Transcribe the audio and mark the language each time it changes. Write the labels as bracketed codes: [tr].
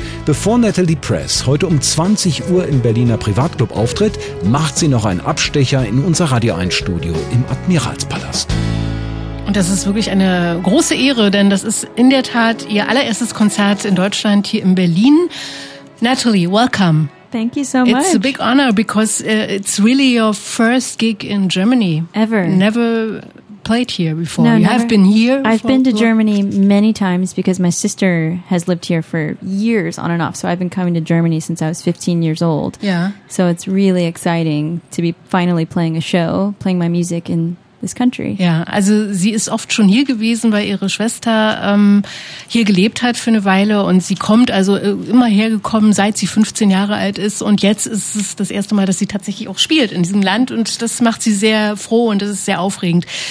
[de] Bevor Natalie Press heute um 20 Uhr im Berliner Privatclub auftritt, macht sie noch einen Abstecher in unser Radio 1 Studio im Admiralspalast. Und das ist wirklich eine große Ehre, denn das ist in der Tat ihr allererstes Konzert in Deutschland hier in Berlin. [en] Natalie, welcome. Thank you so much. It's a big honor because it's really your first gig in Germany. Ever. Never played here before. No, you never. Have been here. I've been to Germany many times because my sister has lived here for years on and off. So I've been coming to Germany since I was 15 years old. Yeah. So it's really exciting to be finally playing a show, playing my music in country. [de] Ja, also sie ist oft schon hier gewesen, weil ihre Schwester hier gelebt hat für eine Weile und sie kommt also immer hergekommen, seit sie 15 Jahre alt ist und jetzt ist es das erste Mal, dass sie tatsächlich auch spielt in diesem Land und das macht sie sehr froh und das ist sehr aufregend.